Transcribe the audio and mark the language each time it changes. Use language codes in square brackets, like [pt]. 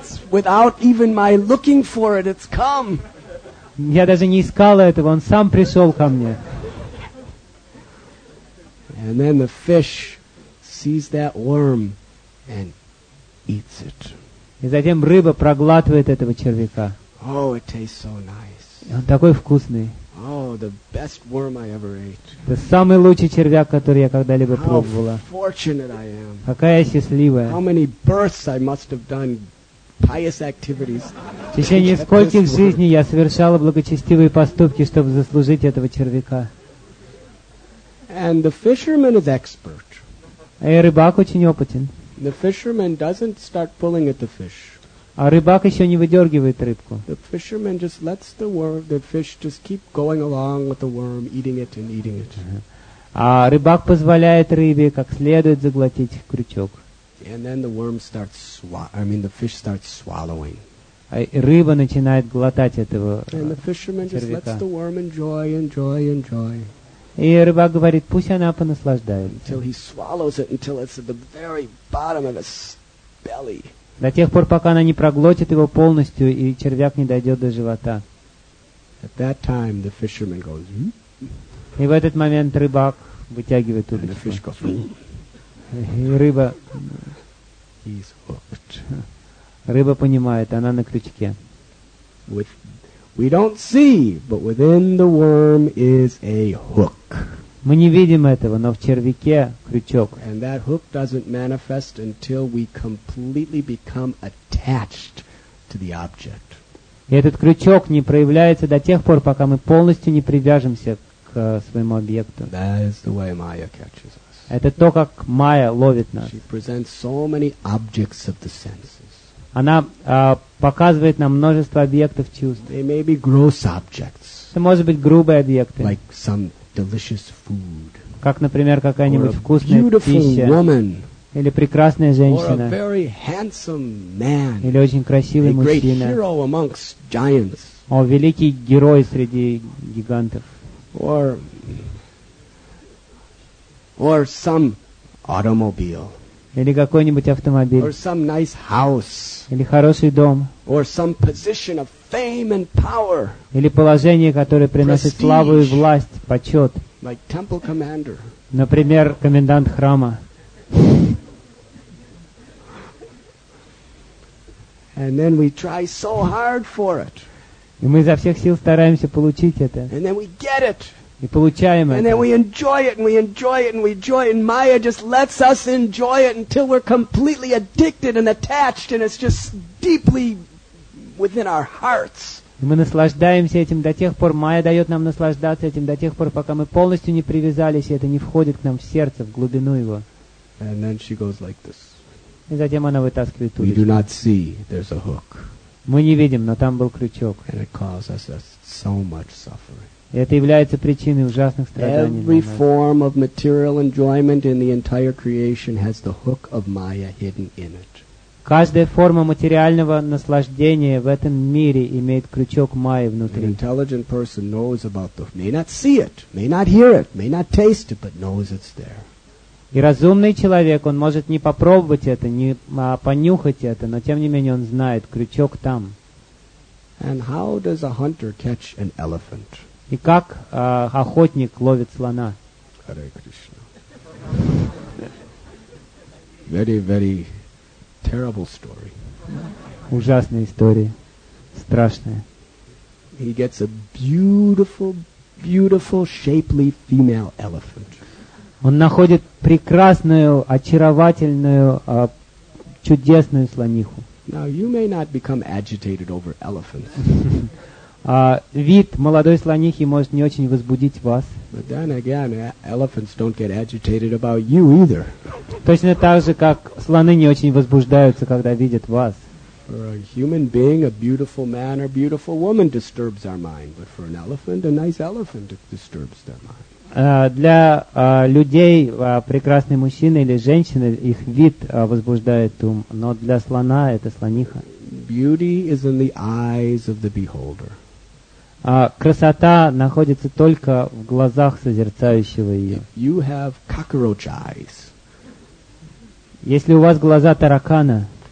[en] Without even my looking for it, it's come. [ru] Я даже не искала этого, он сам пришел ко мне. [en] And then the fish sees that worm and eats it. [ru] И затем рыба проглатывает этого червяка. [en] Oh, it tastes so nice. [ru] И он такой вкусный. [en] Oh, the best worm I ever ate. [ru] Это самый лучший червяк, который я когда-либо [en] How [ru] пробовала. [en] Fortunate I am. [ru] Какая я счастливая. [en] How many births I must have done pious activities. [ru] В течение скольких жизней я совершала благочестивые поступки, чтобы заслужить этого червяка. [en] And the fisherman is expert. [ru] И рыбак очень опытен. [en] The fisherman doesn't start pulling at the fish. [ru] А рыбак еще не выдергивает рыбку. [en] The fisherman just lets the fish just keep going along with the worm, eating it and eating it. [ru] А рыбак позволяет рыбе как следует заглотить крючок. [en] And then the fish starts swallowing. [ru] А рыба начинает глотать этого червяка. [en] And the fisherman just lets the worm enjoy, enjoy, enjoy. [ru] И рыбак говорит, пусть она понаслаждается. До тех пор, пока она не проглотит его полностью, и червяк не дойдет до живота. [en] At that time, the fisherman goes, [ru] И в этот момент рыбак вытягивает удочку. [en] And the fish goes, [ru] и рыба... [en] He's hooked. [ru] Рыба понимает, она на крючке. [en] We don't see, but within the worm is a hook. [ru] Мы не видим этого, но в червяке крючок. [en] And that hook doesn't manifest until we completely become attached to the object. [ru] И этот крючок не проявляется до тех пор, пока мы полностью не привяжемся к своему объекту. [en] That is the way Maya catches us. [ru] Это то, как Майя ловит нас. [en] She presents so many objects of the senses. [ru] Она показывает нам множество объектов чувств. [en] They may be gross objects. [ru] Это может быть грубые объекты. [en] Like some delicious food. [ru] Как, например, какая-нибудь [en] or a [ru] вкусная [en] beautiful [ru] пища. [en] Woman. [ru] Или прекрасная женщина. [en] Or a very handsome man. [ru] Или очень красивый [en] a [ru] мужчина. [en] Great hero amongst giants. [ru] О, великий герой среди гигантов. [en] Or some automobile. [ru] Или какой-нибудь автомобиль. [en] Or some nice house. [ru] Или хороший дом. [en] Or some position of fame and power. [ru] Или положение, которое приносит славу и власть, почет. [en] Like temple commander. [ru] Например, комендант храма. [en] And then we try so hard for it. [ru] И мы изо всех сил стараемся получить это. [en] And then we get it. [ru] И получаем [en] and [ru] это. [en] Then we enjoy it, and we enjoy it, and we enjoy it, and Maya just lets us enjoy it until we're completely addicted and attached, and it's just deeply within our hearts. [ru] И мы наслаждаемся этим до тех пор, Майя дает нам наслаждаться этим до тех пор, пока мы полностью не привязались, и это не входит к нам в сердце, в глубину его. [en] And then she goes like this. [ru] И затем она вытаскивает удочку. [en] We do not see, there's a hook. [ru] Мы не видим, но там был крючок. [en] And it causes us so much suffering. [ru] И это является причиной ужасных страданий. [en] Every form of material enjoyment in the entire creation has the hook of Maya hidden in it. [ru] Каждая форма материального наслаждения в этом мире имеет крючок Майи внутри. [en] An intelligent person knows about the hook. May not see it, may not hear it, may not taste it, but knows it's there. [ru] И разумный человек, он может не попробовать это, не понюхать это, но тем не менее он знает, крючок там. [en] And how does a hunter catch an elephant? [ru] И как охотник ловит слона? Харе Кришна. [en] Very, very terrible story. [ru] Ужасная история. Страшная. [en] He gets a beautiful, beautiful, shapely female elephant. [ru] Он находит прекрасную, очаровательную, чудесную слониху. [en] Now you may not become agitated over elephants. [ru] Вид молодой слонихи может не очень возбудить вас. [en] But then again, elephants don't get agitated about you either. [ru] Точно так же, как слоны не очень возбуждаются, когда видят вас. [en] For a human being, a beautiful man or beautiful woman disturbs our mind. But for an elephant, a nice elephant disturbs their mind. [ru] Для людей, прекрасный мужчина или женщина, их вид возбуждает ум. Но для слона это слониха. [en] Beauty is in the eyes of the beholder. [ru] Красота находится только в глазах созерцающего ее. [en] You have cockroach eyes. [ru] Если у вас глаза таракана,